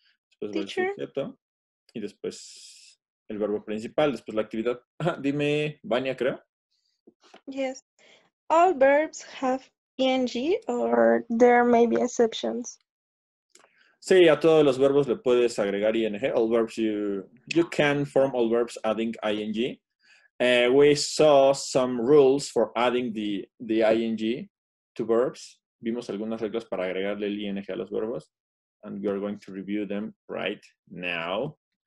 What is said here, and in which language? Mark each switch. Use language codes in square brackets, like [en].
[es] Después va el sujeto. Y después el verbo principal, después la actividad. Ah, dime, Vania, creo. [en] Yes. All verbs have ing or there may be exceptions. [es] Sí, a todos los verbos le puedes agregar ing. [en] All verbs you can form all verbs adding ing. We saw some rules for adding the ing to verbs. [es] Vimos algunas reglas para agregarle el ing a los verbos. [en] And we are going to review them right now.